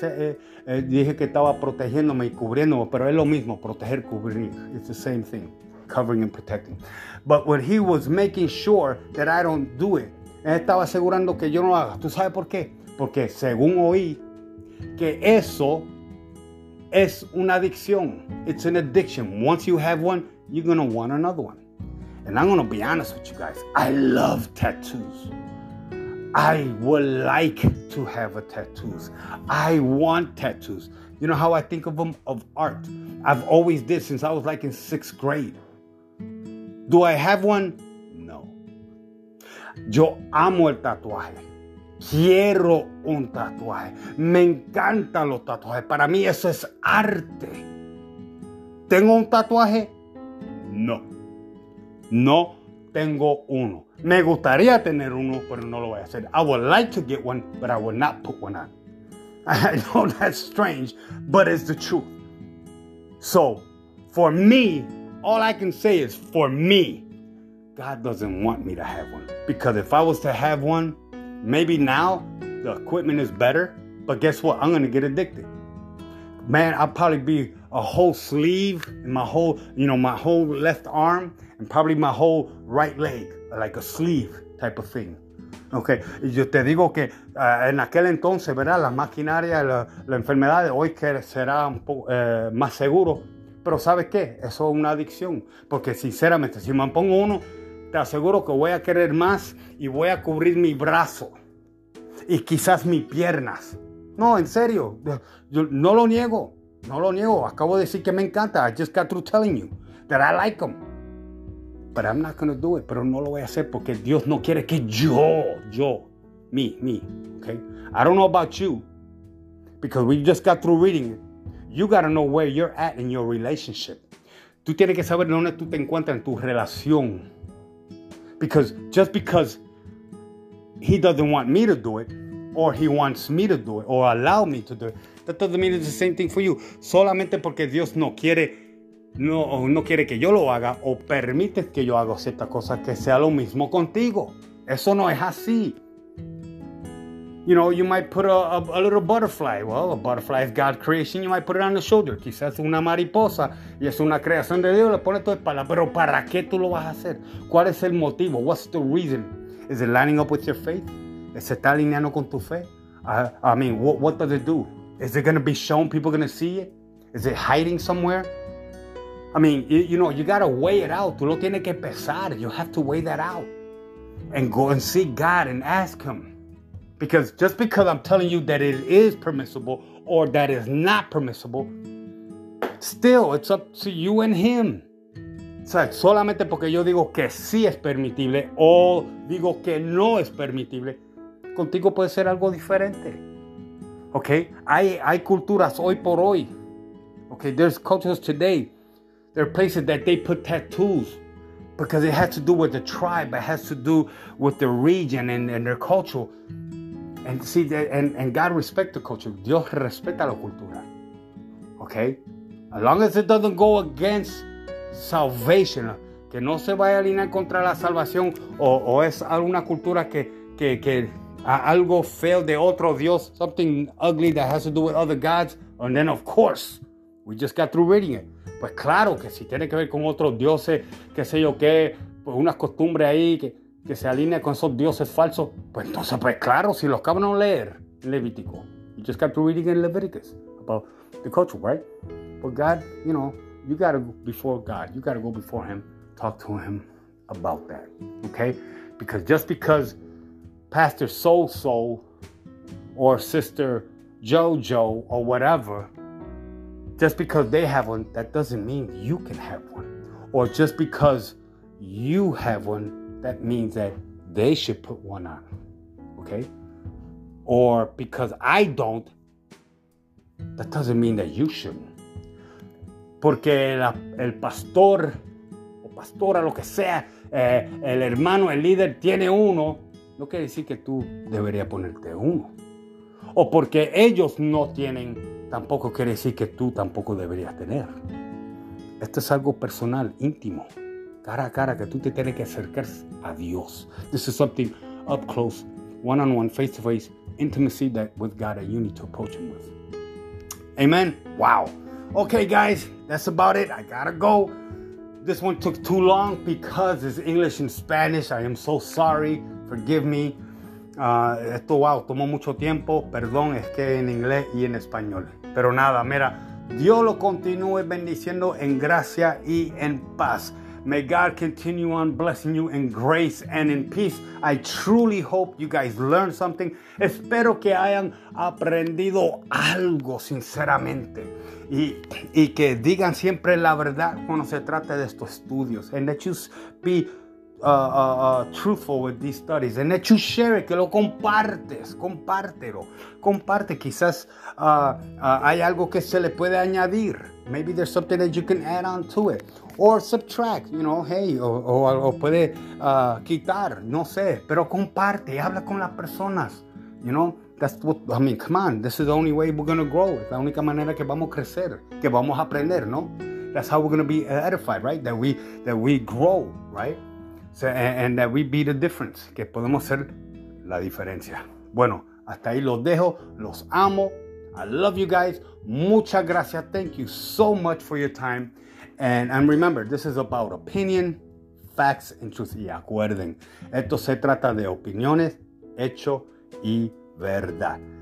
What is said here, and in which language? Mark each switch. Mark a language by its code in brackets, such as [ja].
[es] Dije que estaba protegiéndome y cubriéndome, pero es lo mismo, proteger, cubrir. [en] It's the same thing, covering and protecting. But when he was making sure that I don't do it, [es] estaba asegurando que yo no haga. ¿Tú sabes por qué? Porque según oí, que eso es una adicción. [en] It's an addiction. Once you have one, you're going to want another one. And I'm going to be honest with you guys. I love tattoos. I would like to have a tattoos. I want tattoos. You know how I think of them? Of art. I've always did since I was like in sixth grade. Do I have one? No. [es] Yo amo el tatuaje. Quiero un tatuaje. Me encantan los tatuajes. Para mí eso es arte. ¿Tengo un tatuaje? No. No tengo uno. Me gustaría tener uno, pero no lo voy a hacer. [en] I would like to get one, but I would not put one on. I know that's strange, but it's the truth. So, for me, all I can say is, for me, God doesn't want me to have one. Because if I was to have one, maybe now the equipment is better. But guess what? I'm going to get addicted. Man, I'll probably be a whole sleeve and my whole left arm and probably my whole right leg, like a sleeve type of thing. [es] Okay, y yo te digo que en aquel entonces, ¿verdad? La maquinaria, la enfermedad de hoy que será un poco más seguro. Pero ¿sabes qué? Eso es una adicción. Porque sinceramente, si me pongo uno, te aseguro que voy a querer más y voy a cubrir mi brazo. y quizás mis piernas. No, en serio, yo no lo niego, no lo niego. Acabo de decir que me encanta. [en] I just got through telling you that I like them. But I'm not going to do it. [es] Pero no lo voy a hacer porque Dios no quiere que yo, me. [en] Okay? I don't know about you, because we just got through reading it. You got to know where you're at in your relationship. [es] Tú tienes que saber dónde tú te encuentras en tu relación. [en] Because just because he doesn't want me to do it, or he wants me to do it, or allow me to do it, that doesn't mean it's the same thing for you. [es] Solamente porque Dios no quiere que yo lo haga, o permite que yo haga cierta cosa, que sea lo mismo contigo. Eso no es así. [en] You know, you might put a little butterfly. Well, a butterfly is God's creation. You might put it on the shoulder. [es] Quizás una mariposa y es una creación de Dios. Le pone tu espalda. Pero ¿para qué tú lo vas a hacer? ¿Cuál es el motivo? [en] What's the reason? Is it lining up with your faith? [es] ¿Se está alineando con tu fe? [en] What does it do? Is it going to be shown? People going to see it? Is it hiding somewhere? You got to weigh it out. [es] Tú lo tienes que pesar. [en] You have to weigh that out. And go and see God and ask Him. Because just because I'm telling you that it is permissible or that is not permissible, still, it's up to you and him. [es] O sea, solamente porque yo digo que sí es permitible o digo que no es permitible, contigo puede ser algo diferente. Okay? Hay culturas hoy por hoy. Okay? [en] There's cultures today. There are places that they put tattoos. Because it has to do with the tribe. It has to do with the region and their culture. And see, and God respects the culture. [es] Dios respeta la cultura. [en] Okay? As long as it doesn't go against salvation. [es] Que no se vaya a alinear contra la salvación. O es alguna cultura que algo feo de otro Dios. [en] Something ugly that has to do with other gods. And then, of course, we just got through reading it. [es] Pues claro que si tiene que ver con otros dioses, qué sé yo qué, pues unas costumbres ahí que se alinea con esos dioses falsos, pues entonces, pues claro, si los acaban de leer en Levítico. [en] You just got to read in Leviticus about the culture, right? But God, you know, you got to go before God. You got to go before Him. Talk to Him about that, okay? Because just because Pastor So-So or Sister Jojo or whatever, just because they have one, that doesn't mean you can have one. Or just because you have one, that means that they should put one on. Okay? Or because I don't, that doesn't mean that you shouldn't. [es] Porque el pastor, o pastora, lo que sea, el hermano, el líder, tiene uno, no quiere decir que tú deberías ponerte uno. O porque ellos no tienen, tampoco quiere decir que tú tampoco deberías tener. Esto es algo personal, íntimo. Cara a cara, que tú te tienes que acercar a Dios. [en] This is something up close, one-on-one, face-to-face, intimacy that with God that you need to approach Him with. Amen? Wow. Okay, guys, that's about it. I gotta go. This one took too long because it's English and Spanish. I am so sorry. Forgive me. [es] Tomó mucho tiempo. Perdón, es que en inglés y en español. Pero nada, mira, Dios lo continúe bendiciendo en gracia y en paz. [en] May God continue on blessing you in grace and in peace. I truly hope you guys learned something. [es] Espero que hayan aprendido algo, sinceramente. Y que digan siempre la verdad cuando se trata de estos estudios. [en] And that you be truthful with these studies. And that you share it, [es] que lo compartes. Compártelo. Comparte. Quizás hay algo que se le puede añadir. [en] Maybe there's something that you can add on to it. Or subtract, you know, hey, [es] o puede quitar, no sé, pero comparte, habla con las personas, [en] you know, that's what, I mean, come on, this is the only way we're going to grow, [es] es la única manera que vamos a crecer, que vamos a aprender, no? [en] That's how we're going to be edified, right? That we grow, right? So, and that we be the difference, [es] que podemos ser la diferencia. Bueno, hasta ahí los dejo, los amo, [en] I love you guys, [es] muchas gracias, [en] thank you so much for your time. And remember, this is about opinion, facts, and truth. [es] Y acuerden, esto se trata de opiniones, hecho y verdad.